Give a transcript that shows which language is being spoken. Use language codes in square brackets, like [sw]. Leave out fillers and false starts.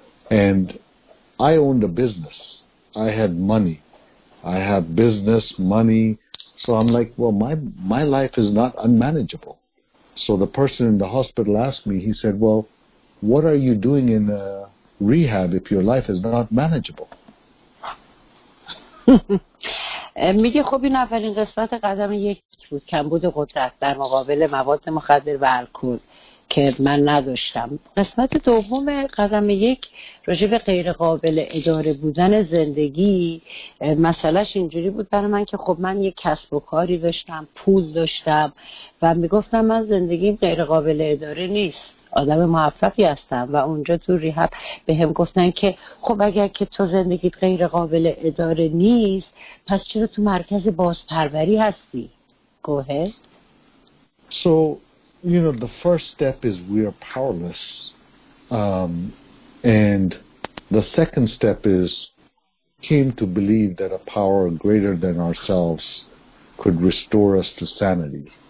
[en] And I owned a business. I had money. I have business, money. So I'm like, well, my life is not unmanageable. So the person in the hospital asked me, he said, well, what are you doing in rehab if your life is not manageable? [fa] میگه خب این اولین قسمت قدم یک بود، کمبود قدرت در مقابل مواد مخدر و الکل که من نداشتم. قسمت دوم قدم یک راجع به غیر قابل اداره بودن زندگی، مسئلهش اینجوری بود برای من که خب من یک کسب و کاری داشتم، پول داشتم و میگفتم من زندگیم غیر قابل اداره نیست، آدم موفقی هستم. و اونجا تو ریهب به هم گفتن که خب اگر که تو زندگیت غیر قابل اداره نیست پس چرا تو مرکز بازپروری هستی؟ [en] Go ahead. So, you know, the first step is we are powerless. And the second step is came to believe that a power greater than ourselves could restore us to sanity.